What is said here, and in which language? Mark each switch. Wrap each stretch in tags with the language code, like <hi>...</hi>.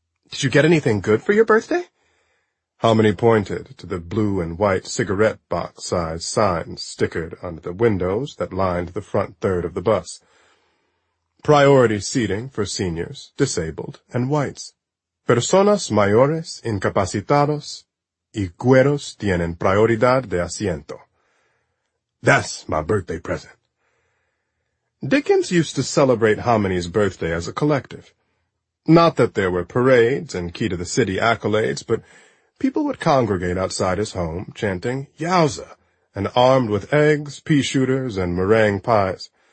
<en>Did you get anything good for your birthday?" Hominy pointed to the blue and white cigarette box-sized signs stickered under the windows that lined the front third of the bus. Priority seating for seniors, disabled, and whites.</en> <es>Personas mayores, incapacitados, y cueros tienen prioridad de asiento.</es> <en>That's my birthday present. Dickens used to celebrate Hominy's birthday as a collective. Not that there were parades and key to the city accolades, but people would congregate outside his home, chanting, Yowza, and armed with eggs, pea shooters, and meringue pies.</en>